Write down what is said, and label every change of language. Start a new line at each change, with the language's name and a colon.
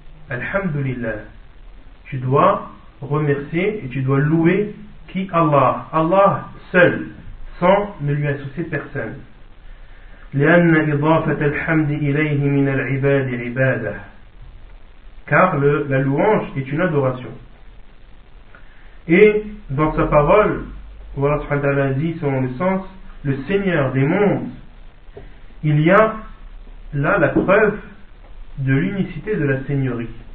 French: Alhamdulillah, tu dois remercier et tu dois louer qui? Allah. Allah seul, sans ne lui associer personne.
Arabic: لأن إضافة الحمد إليه من العباد عبادة.
French: Car la louange est une adoration. Et dans sa parole, Allah subhanahu wa ta'ala dit, selon le sens, le Seigneur des mondes. Il y a là la preuve de l'unicité de la seigneurie.